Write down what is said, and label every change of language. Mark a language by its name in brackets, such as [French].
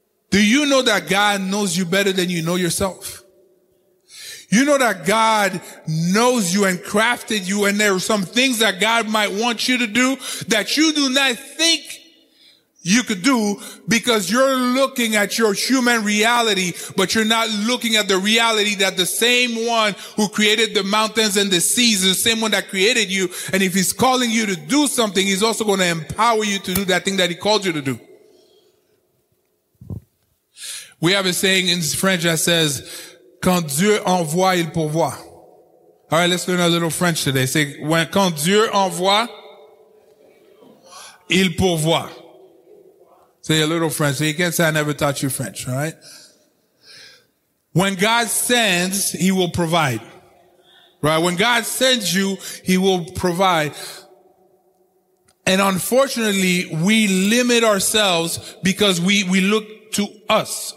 [English] Do you know that God knows you better than you know yourself? You know that God knows you and crafted you, and there are some things that God might want you to do that you do not think you could do, because you're looking at your human reality, but you're not looking at the reality that the same one who created the mountains and the seas, the same one that created you, and if he's calling you to do something, he's also going to empower you to do that thing that he called you to do. We have a saying in French that says, [French] quand Dieu envoie, il pourvoit. [English] All right, let's learn a little French today. Say, [French] quand Dieu envoie, il pourvoit. [English] Say a little French. So you can't say I never taught you French, all right? When God sends, he will provide. Right? When God sends you, he will provide. And unfortunately, we limit ourselves because we look to us.